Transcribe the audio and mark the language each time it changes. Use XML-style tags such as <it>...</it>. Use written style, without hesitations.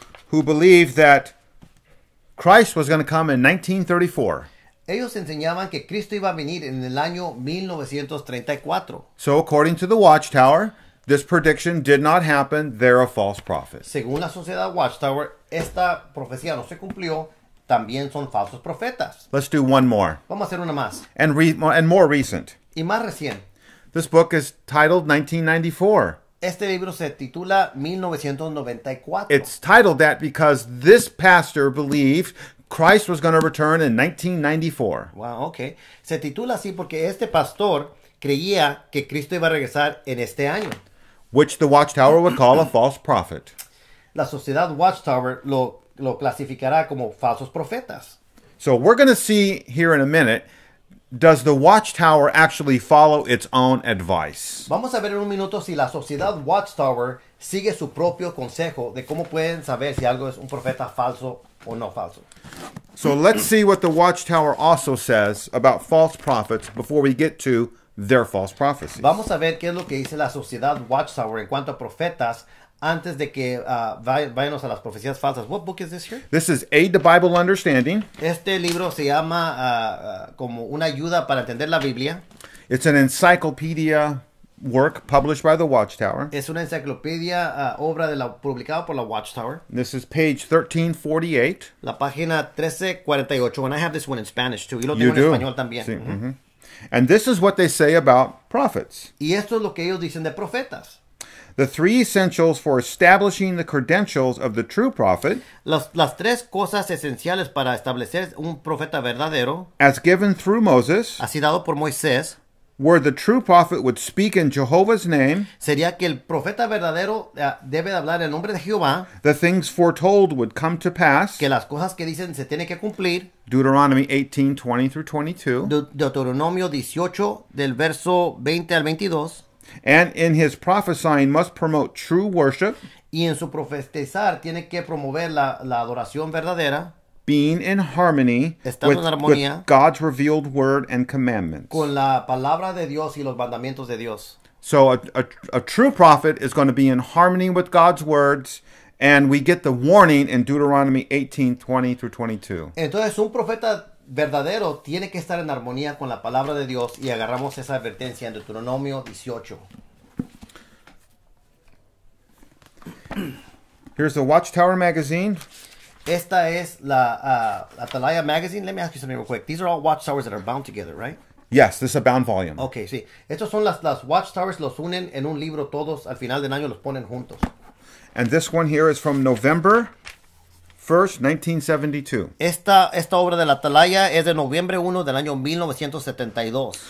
<en>Who believed that Christ was going to come in 1934.</en> <es>Ellos enseñaban que Cristo iba a venir en el año 1934.</es> <en>So according to the Watchtower, this prediction did not happen. They're a false prophet.</en> <es>Según la sociedad Watchtower, esta profecía no se cumplió. También son falsos profetas.</es> <en>Let's do one more.</en> <es>Vamos a hacer una más.</es> <en>And more recent.</en> <es>Y más recién.</es> <en>This book is titled 1994.</en> <es>Este libro se titula 1994.</es> <en>It's titled that because this pastor believed Christ was going to return in 1994. Wow, okay.</en> <es>Se titula así porque este pastor creía que Cristo iba a regresar en este año.</es> <en>Which the Watchtower would call a false prophet.</en> <es>La sociedad Watchtower lo clasificará como falsos profetas.</es> <en>So we're going to see here in a minute, does the Watchtower actually follow its own advice?</en> <es>Vamos a ver en un minuto si la sociedad Watchtower sigue su propio consejo de cómo pueden saber si algo es un profeta falso o no falso.</es> <en>So let's see what the Watchtower also says about false prophets before we get to their false prophecies.</en> <es>Vamos a ver qué es lo que dice la sociedad Watchtower en cuanto a profetas antes de que vayamos a las profecías falsas.</es> <en>What book is this here? This is Aid to Bible Understanding.</en> <es>Este libro se llama como una ayuda para entender la Biblia.</es> <en>It's an encyclopedia work published by the Watchtower.</en> <es>Es una enciclopedia obra de la publicado por la Watchtower.</es> <en>This is page 1348.</en> <es>La página 1348.</es> <en>And I have this one in Spanish too.</en> <es>Y lo tengo en español también. Sí. Mm-hmm.</es> <en>And this is what they say about prophets.</en> <es>Y esto es lo que ellos dicen de profetas.</es> <en>The three essentials for establishing the credentials of the true prophet.</en> <es>Las tres cosas esenciales para establecer un profeta verdadero.</es> <en>As given through Moses.</en> <es>Así dado por Moisés.</es> <en>Where the true prophet would speak in Jehovah's name.</en> <es>Sería que el profeta verdadero debe hablar en nombre de Jehová.</es> <en>The things foretold would come to pass.</en> <es>Que las cosas que dicen se tienen que cumplir.</es> <en>Deuteronomy 18, 20 through 22.</en> <es>Deuteronomio 18, del verso 20 al 22.</es> <en>And in his prophesying must promote true worship.</en> <es>Y en su profetizar tiene que promover la adoración verdadera.</es> <en>Be being in harmony with God's revealed word and commandments.</en> <es>Con la palabra de Dios y los mandamientos de Dios.</es> <en>So a true prophet is going to be in harmony with God's words, and we get the warning in Deuteronomy 18:20-22.</en> <es>Entonces un profeta verdadero tiene que estar en armonía con la palabra de Dios, y agarramos esa advertencia en Deuteronomio 18.</es> <en>Here's the Watchtower magazine.</en> <es>Esta es la Atalaya</es> <en>magazine. Let me ask you something real quick. These are all Watchtowers that are bound together, right? Yes, this is a bound volume.</en> <es>Okay, sí. Estos son las Watchtowers, los unen en un libro todos, al final del año los ponen juntos.</es> <en>And this one here is from November 1st, 1972.</en> <es>Esta obra de la Atalaya es de noviembre 1 del año 1972.</es>